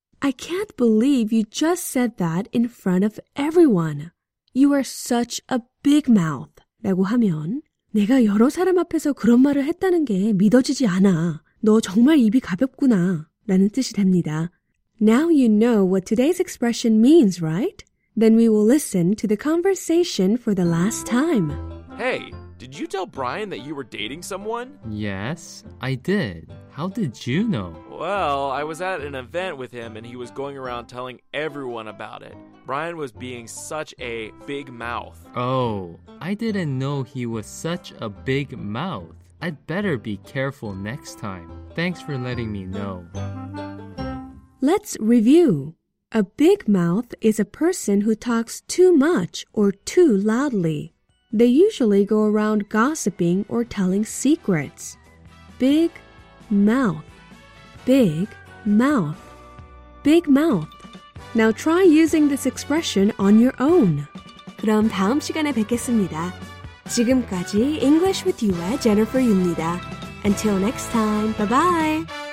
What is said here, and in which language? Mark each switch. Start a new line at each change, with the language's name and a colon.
English: I can't believe you just said that in front of everyone. You are such a big mouth.
Korean: 라고 하면 내가 여러 사람 앞에서 그런 말을 했다는 게 믿어지지 않아. 너 정말 입이 가볍구나 라는 뜻이 됩니다.
English: Now you know what today's expression means, right? Then we will listen to the conversation for the last time. Hey! Did you tell Brian that you were dating someone? Yes, I did. How did you know? Well, I was at an event with him and he was going around telling everyone about it. Brian was being such a big mouth. Oh, I didn't know he was such a big mouth. I'd better be careful next time. Thanks for letting me know. Let's review. A big mouth is a person who talks too much or too loudly. They usually go around gossiping or telling secrets. Big mouth. Big mouth. Big mouth. Now try using this expression on your own.
Korean: 그럼 다음 시간에 뵙겠습니다. 지금까지 English with you의 Jennifer입니다.
English: Until next time, bye-bye.